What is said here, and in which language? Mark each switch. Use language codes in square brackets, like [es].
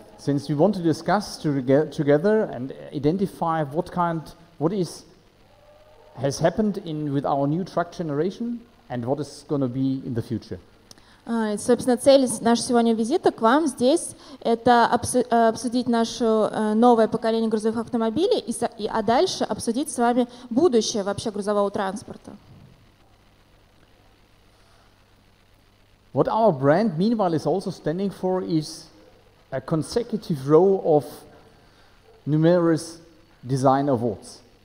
[en] Since we want to discuss together and identify what has happened with our new truck generation and what is going to be in the future. [ru] Собственно, цель нашего сегодняшнего визита к вам здесь – это обсудить наше новое поколение грузовых автомобилей а дальше обсудить с вами будущее вообще грузового транспорта. [en] What our brand meanwhile is also standing for is a consecutive row of numerous design awards.